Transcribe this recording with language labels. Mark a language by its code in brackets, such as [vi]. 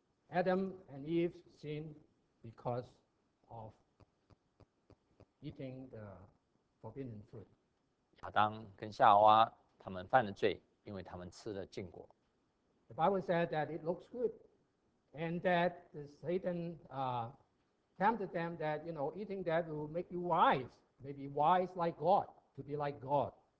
[en] Adam and Eve sinned because of eating the forbidden fruit. [zh] 亚当跟夏娃他们犯了罪，因为他们吃了禁果。 [en] The Bible said that it looks good, and that Satan tempted them that you know eating that will make you wise, maybe wise like God, to be like God.